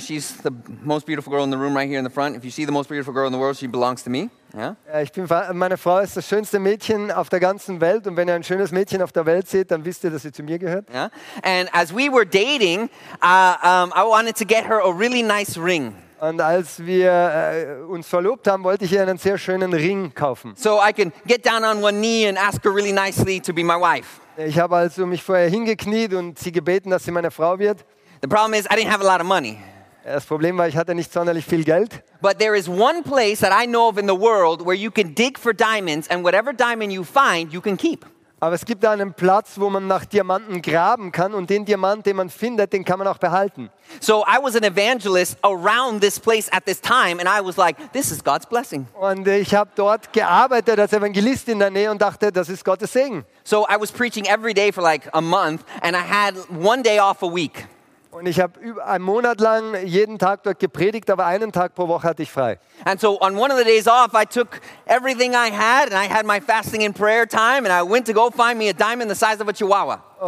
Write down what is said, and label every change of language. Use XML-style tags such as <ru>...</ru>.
<en>She's the most beautiful girl in the room right here in the front. If you see the most beautiful girl in the world, she belongs to me. Yeah?</en> <de>Ich bin, meine Frau ist das schönste Mädchen auf der ganzen Welt. Und wenn ihr ein schönes Mädchen auf der Welt seht, dann wisst ihr, dass sie zu mir gehört.</de> <en>Yeah? And as we were dating, I wanted to get her a really nice ring.</en> <de>Und als wir uns verlobt haben, wollte ich ihr einen sehr schönen Ring kaufen.</de> <en>So I can get down on one knee and ask her really nicely to be my wife.</en> <de>Ich habe also mich vorher hingekniet und sie gebeten, dass sie meine Frau wird.</de> <en>The problem is, I didn't have a lot of money.</en> <de>Das Problem war, ich hatte nicht sonderlich viel Geld.</de> <en>But there is one place that I know of in the world where you can dig for diamonds and whatever diamond you find, you can keep.</en> <de>Aber es gibt da einen Platz, wo man nach Diamanten graben kann und den Diamant, den man findet, den kann man auch behalten.</de> <en>So I was an evangelist around this place at this time and I was like, this is God's blessing.</en> <de>Und ich habe dort gearbeitet als Evangelist in der Nähe und dachte, das ist Gottes Segen.</de> <en>So I was preaching every day for like a month and I had one day off a week.</en> <de>Und ich habe über einen Monat lang jeden Tag dort gepredigt, aber einen Tag pro Woche hatte ich frei.</de> <en>And so on one of the days off, I took everything I had and I had my fasting and prayer time and I went to go find me a diamond the size of a chihuahua.</en>